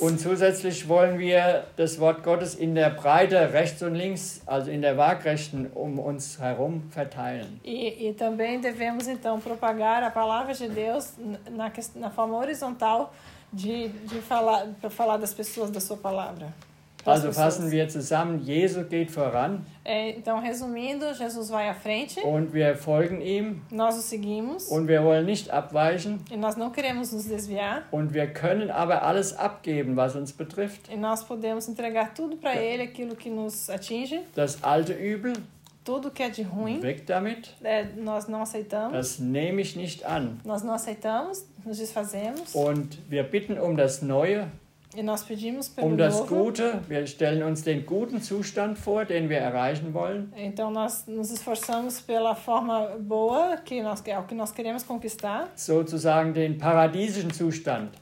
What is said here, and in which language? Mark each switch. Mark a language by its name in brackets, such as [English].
[German] Und zusätzlich wollen wir das Wort Gottes in der Breite rechts und links, also in der waagrechten um uns herum verteilen. [Portuguese] E também devemos então propagar a palavra de Deus na forma horizontal de falar das pessoas da sua palavra. [German] Also fassen wir zusammen, Jesus geht voran. [Portuguese] Então, resumindo, Jesus vai à frente. [German] Und wir folgen ihm. [Portuguese] Nós o seguimos. [German] Und wir wollen nicht abweichen. [Portuguese] E nós não queremos nos desviar. [German] Und wir können aber alles abgeben, was uns betrifft. [Portuguese] E nós podemos entregar tudo para ele, aquilo que nos atinge. [German] Das alte Übel. [Portuguese] Tudo que é de ruim. [German] Weg damit. [Portuguese] Nós não aceitamos. [German] Das nehme ich nicht an. [Portuguese] Nós não aceitamos, nos desfazemos. [German] Und wir bitten um das Neue. [Portuguese] E nós pedimos pelo [German] um das [Portuguese] novo. [German] Gute, wir stellen uns den guten Zustand vor, den wir erreichen wollen. [Portuguese] Então nós nos esforçamos pela forma boa, que nós queremos conquistar. [German] Sozusagen den paradiesischen Zustand.